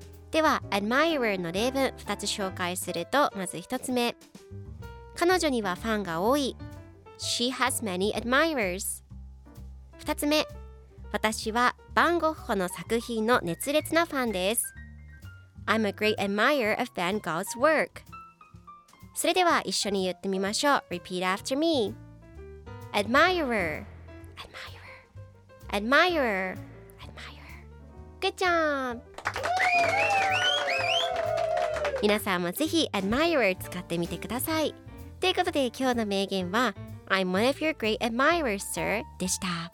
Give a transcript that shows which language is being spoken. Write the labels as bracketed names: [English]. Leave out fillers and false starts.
[Japanese] では Admirer の例文2つ紹介すると、まず1つ目、彼女にはファンが多い。 [English] She has many admirers. [Japanese] 2つ目、私はバン・ゴッホの作品の熱烈なファンです。 [English] I'm a great admirer of Van Gogh's work. [Japanese] それでは一緒に言ってみましょう。 [English] Repeat after me. Admirer. Admirer. Admirer. Admirer. Good job. [Japanese] 皆さんもぜひ Admirer 使ってみてください。ということで今日の名言は [English] I'm one of your great admirers, sir. [Japanese] でした。